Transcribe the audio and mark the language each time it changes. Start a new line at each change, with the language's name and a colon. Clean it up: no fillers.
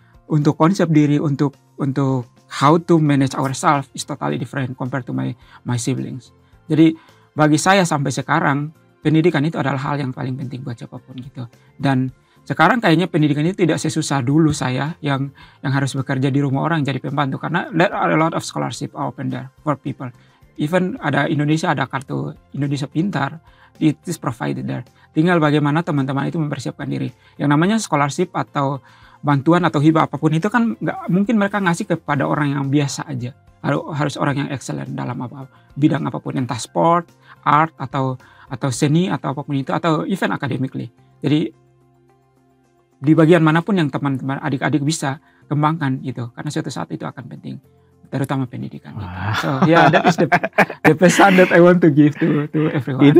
Indonesian: Untuk konsep diri, untuk
English: how to manage ourselves is totally different compared to my siblings.
Indonesian: Jadi bagi saya sampai sekarang pendidikan itu adalah hal yang paling penting buat siapapun gitu. Dan sekarang kayaknya pendidikan itu tidak sesusah dulu saya yang harus bekerja di rumah orang jadi pembantu. Karena
English: there are a lot of scholarship open there for people.
Indonesian: Even ada Indonesia, ada kartu Indonesia Pintar,
English: it is provided there.
Indonesian: Tinggal bagaimana teman-teman itu mempersiapkan diri. Yang namanya scholarship atau bantuan atau hibah apapun itu kan gak mungkin mereka ngasih kepada orang yang biasa aja. Harus orang yang excellent dalam apa bidang apapun, entah sport, art, atau seni, atau apapun itu, atau even academically. Jadi di bagian manapun yang teman-teman adik-adik bisa kembangkan gitu, karena suatu saat itu akan penting, terutama pendidikan. Wow. Gitu.
English: So yeah, that is the pesan that I want to give to everyone.